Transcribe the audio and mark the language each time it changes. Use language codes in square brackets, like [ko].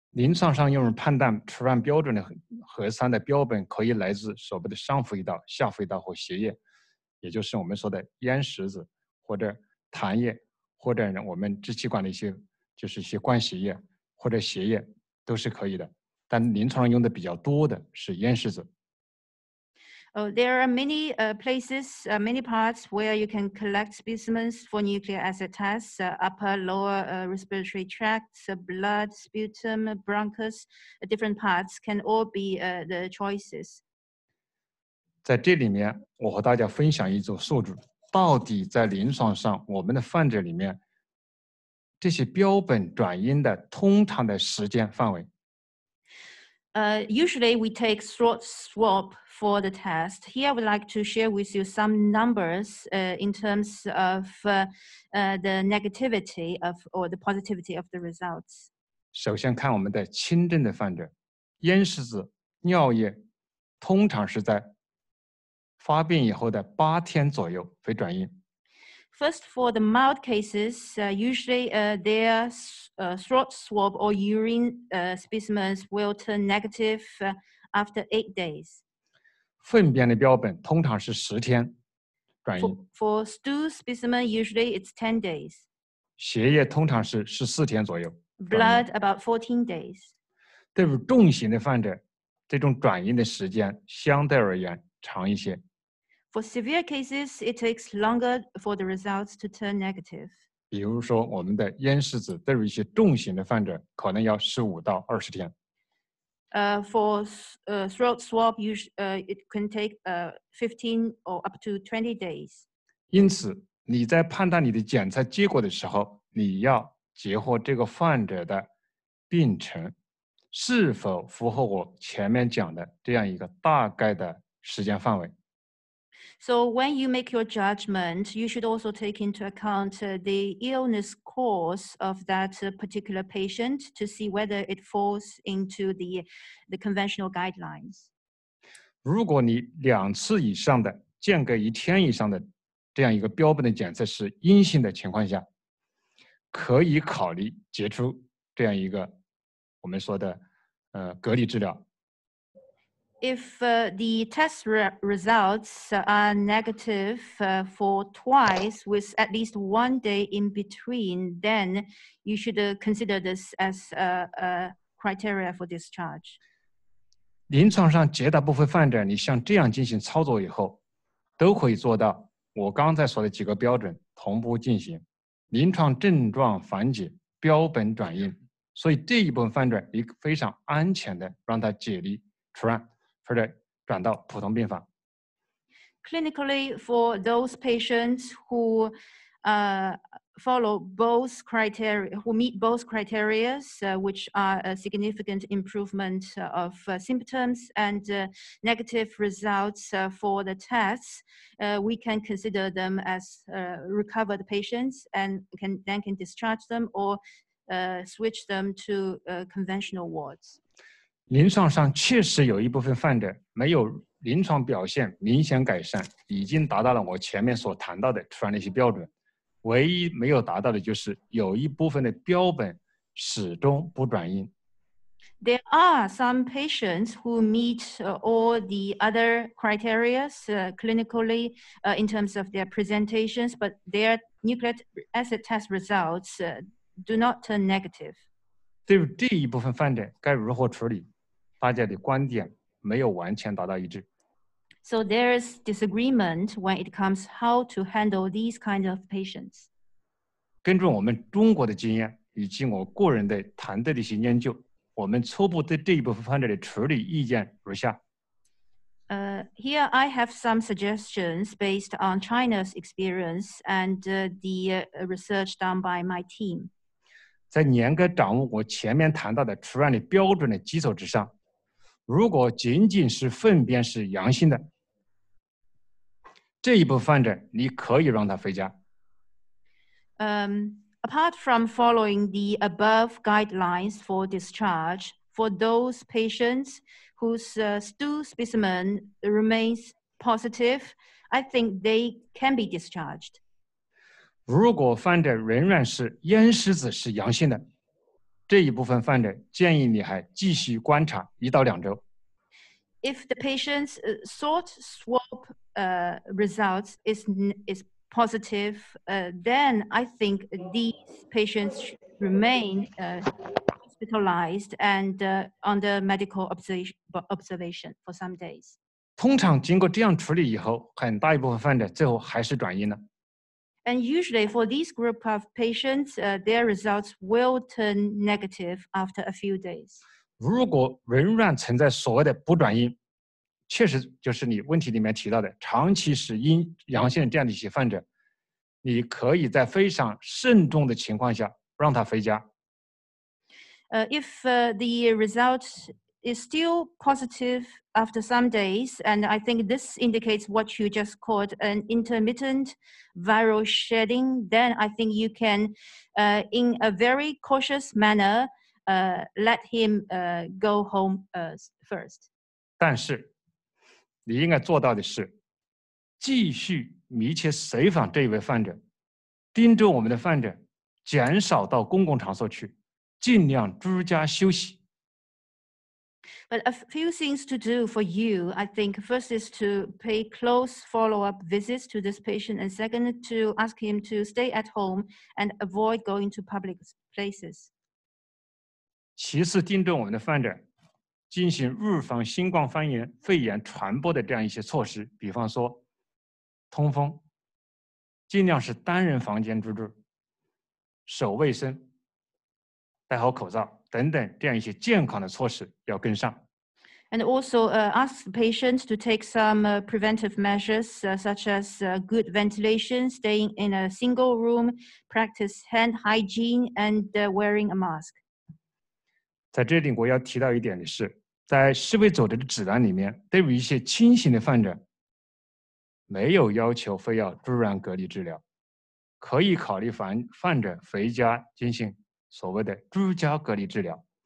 [zh] 临床上用于判断出院标准的核酸的标本可以来自所谓的上呼吸道、下呼吸道或血液，也就是我们说的咽拭子或者痰液，或者我们支气管的一些就是一些灌血液或者血液都是可以的。但临床用的比较多的是咽拭子。 [en] There are many places, many parts where you can collect specimens for nucleic acid tests, upper, lower respiratory tracts, blood, sputum, bronchus, different parts can all be the choices. [zh] 在这里面，我和大家分享一组数据，到底在临床上我们的患者里面，这些标本转阴的通常的时间范围。 [en] Usually, we take throat swab for the test. Here, I would like to share with you some numbers in terms of the negativity of or the positivity of the results. [zh] 首先看我们的轻症的患者，咽拭子、尿液通常是在发病以后的八天左右会转阴。 [en] First, for the mild cases, usually their throat swab or urine specimens will turn negative after 8 days. [zh] 粪便的标本通常是十天转阴。 [en] For stool specimen, usually it's 10 days. [zh] 血液通常是14天左右。 [en] Blood about 14 days. [zh] 对于重型的患者，这种转阴的时间相对而言长一些。 [en] For severe cases, it takes longer for the results to turn negative. [zh] 比如说，我们的咽拭子对于一些重型的患者，可能要15到20天。 [en] For throat swab, it can take 15 or up to 20 days. [zh] 因此，你在判断你的检测结果的时候，你要结合这个患者的病程，是否符合我前面讲的这样一个大概的时间范围。 [en] So when you make your judgment, you should also take into account the illness course of that particular patient to see whether it falls into the conventional guidelines. [zh] 如果你两次以上的间隔一天以上的这样一个标本的检测是阴性的情况下，可以考虑接触这样一个我们说的隔离治疗。 [en] If the test results are negative for twice with at least 1 day in between, then you should consider this as a criteria for discharge. [zh] 临床上绝大部分患者，你像这样进行操作以后，都可以做到我刚才说的几个标准同步进行，临床症状缓解，标本转阴，所以这一部分患者你非常安全的让他解离出院。或者转到普通病房。 [en] Clinically, for those patients who follow both criteria, who meet both criteria, which are a significant improvement of symptoms and negative results for the tests, we can consider them as recovered patients and can discharge them or switch them to conventional wards. [zh] 临床上确实有一部分患者没有临床表现明显改善，已经达到了我前面所谈到的出院那些标准。唯一没有达到的就是有一部分的标本始终不转阴。 [en] There are some patients who meet all the other criteria clinically in terms of their presentations, but their nucleic acid test results do not turn negative. [zh] 对于这一部分患者该如何处理？大家的观点没有完全达到一致。 [en] So there is disagreement when it comes how to handle these kinds of patients. [zh] 根据我们中国的经验以及我个人的团队的一些研究，我们初步对这一部分患者的处理意见如下。 [en] Here I have some suggestions based on China's experience and the research done by my team. [zh] 在严格掌握我前面谈到的出院的标准的基础之上，如果仅仅是粪便是阳性的，这一部分患者你可以让他回家。 [en] Apart from following the above guidelines for discharge, for those patients whose stool specimen remains positive, I think they can be discharged. [zh] 如果患者仍然是咽拭子是阳性的，这一部分患者建议你还继续观察一到两周。 [en] If the patient's salt swab results is positive, then I think these patients remain hospitalized and under medical observation for some days. [zh] 通常经过这样处理以后，很大一部分患者最后还是转阴了。 [en] And usually for this group of patients, their results will turn negative after a few days. [zh] 如果仍然存在所谓的不转阴，确实就是你问题里面提到的长期是阴阳性这样的一些患者，你可以在非常慎重的情况下让他回家。 [en] If the result is still positive after some days, and I think this indicates what you just called an intermittent viral shedding, then I think you can, in a very cautious manner, let him go home first. [zh] 但是，你应该做到的是继续密切随访这一位患者，盯着我们的患者，减少到公共场所去，尽量居家休息。 [en] But a few things to do for you, I think. First is to pay close follow-up visits to this patient, and second, to ask him to stay at home and avoid going to public places. [zh] 其次，盯着我们的患者，进行预防新冠肺炎传播的这样一些措施，比方说通风，尽量是单人房间居住，手卫生，戴好口罩等等，这样一些健康的措施要跟上。 [en] And also ask the patient to take some preventive measures such as good ventilation, staying in a single room, practice hand hygiene, and wearing a mask. [zh] 在这里我要提到一点的是，在世卫组织的指南里面，对于一些轻型的患者，没有要求非要住院隔离治疗，可以考虑患者回家进行所谓的居家隔离治疗。